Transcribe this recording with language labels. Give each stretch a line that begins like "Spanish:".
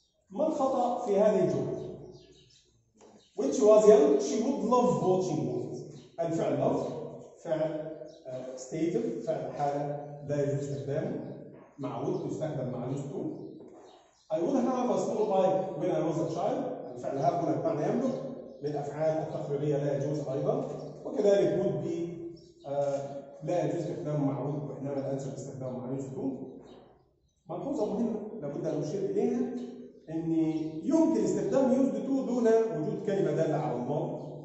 Arabic: ما الخطأ في هذه الجملة؟
English: When she was young, she would love watching movies.
Arabic: الفعل love، فعل stated، فعل حالة لا يجوز استخدامه مع would، يستخدم مع used to.
English: I would have a small bike when I was a child.
Arabic: الفعل have هنا بمعنى يملك، من الأفعال التقريرية لا يجوز أيضا. وكذلك would be لا يجوز استخدامه مع would، وإنما الأنسب استخدامه مع used to. ملحوظة مهمة لابد أن أشير إليها أن يمكن استخدام used to دون وجود كلمة دالة على الماضي.